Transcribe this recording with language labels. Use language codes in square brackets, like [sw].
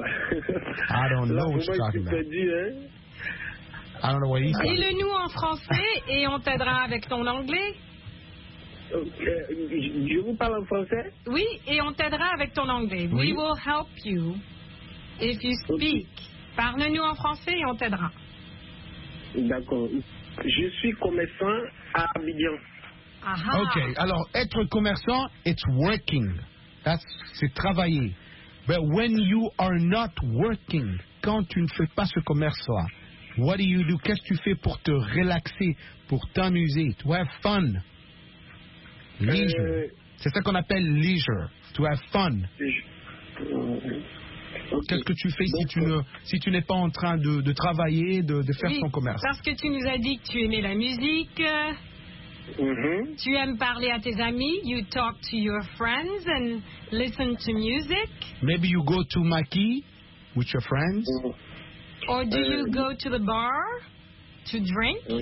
[en] I don't know what you're talking about. [fr] Dit, hein? [en] I don't know what he's talking. [fr] Dis-le-nous en français et on t'aidera avec ton anglais. Je vous parle en français? Oui, et on t'aidera avec ton anglais. Oui. [en] We will help you if you speak. Okay. [fr] Parle-nous en français et on t'aidera. D'accord. Je suis commerçant à Abidjan. Aha. Ok, alors être commerçant, [en] it's working. That's, [fr] c'est travailler. [en] But when you are not working, [fr] quand tu ne fais pas ce commerce-là, [en] what do you do? [fr] Qu'est-ce que tu fais pour te relaxer, pour t'amuser? [en] To have fun. Leisure. [fr] C'est ça qu'on appelle leisure. [en] To have fun. Okay. [fr] Qu'est-ce que tu fais si tu, ne, si tu n'es pas en train de travailler, de faire oui, ton commerce? Parce que tu nous as dit que tu aimais la musique. Mm-hmm. Tu aimes parler à tes amis. [en] You talk to your friends and listen to music. Maybe you go to Maki with your friends. Mm-hmm. Or do you go to the bar to drink?